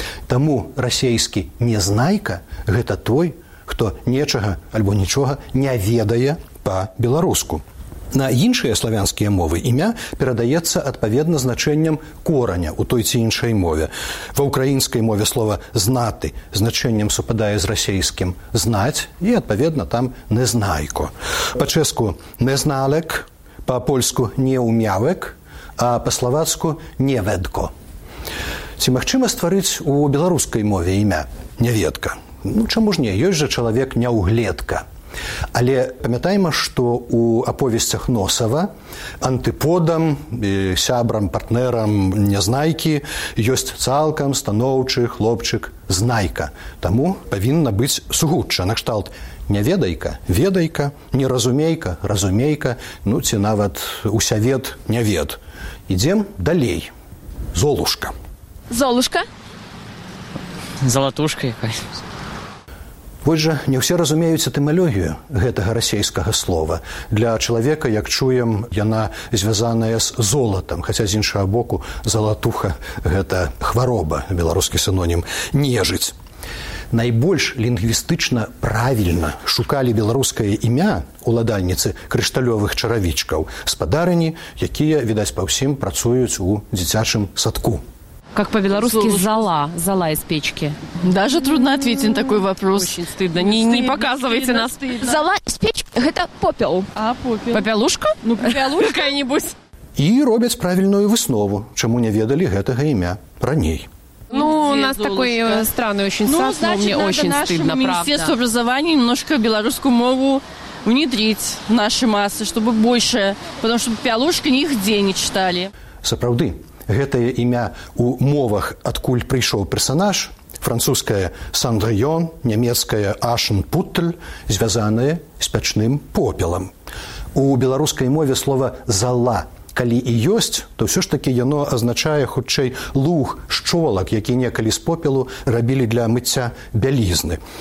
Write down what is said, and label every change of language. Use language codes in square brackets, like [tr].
[be] Таму расейскі незнайка – гэта той, хто нечага альбо нічога не ведае па-беларуску. На іншыя славянскія мовы імя перадаецца адпаведна значэннем кораня ў той ці іншай мове. Ва ўкраінскай мове слова «знаты» значэннем супадае з расейскім «знаць» і адпаведна там «незнайко». Па-чэску «незналек», па-польску «неумявек», а па-славацку «неведко». Ці магчыма стварыць у беларускай мове імя «неведка»? Ну, чаму ж не? Ёсць жа чалавек «няўгледка». Але памятаем, што ў аповесцях Носава антыподам, сябрам, партнерам Незнайкі ёсць цалкам станоўчы хлопчык Знайка. Таму павінна быць сугучча на кшталт «няведайка» – «ведайка», «неразумейка» – «разумейка», ну ці нават «усявед» – «нявед». Ідзем далей. Золушка. Золушка? Залатушка якась. Вось жа, не ўсе разумеюць этымалогію гэтага расейскага слова. Для чалавека, як чуем, яна звязаная з золатам, хаця з іншага боку залатуха – гэта хвароба, беларускі синонім, нежыць. Найбольш лінгвістычна правільна шукалі беларускае імя уладальніцы крышталёвых чаравічкаў, спадарыні, якія, відаць, па ўсім працуюць у дзіцячым садку. [ru] Как по-белорусски «зала», «зала из печки». Даже трудно ответить на такой вопрос. Очень стыдно. Не показывайте нас. Стыдно. «Зала из печки» – это попел. А попел? Попелушка? Ну, попелушка какая-нибудь. И робят правильную выснову, чему не ведали этого имя раней. Ну, где у нас Золушка? Такой странный очень сад, ну, значит, мне очень стыдно, правда. Ну, значит, Министерство образования немножко белорусскую мову внедрить в наши массы, чтобы больше, потому что «попелушка» нигде не читали. [be] Сапраўды. Гэтае імя ў мовах, адкуль прыйшоў персанаж, французская «Сандрыён», нямецкая «Ашенпутль», звязанае з пячным попелам. У беларускай мове слова «зала» калі і ёсць, то ўсё ж такі яно азначае хутчэй луг, шчолак, які некалі з попелу рабілі для мыцця бялізны.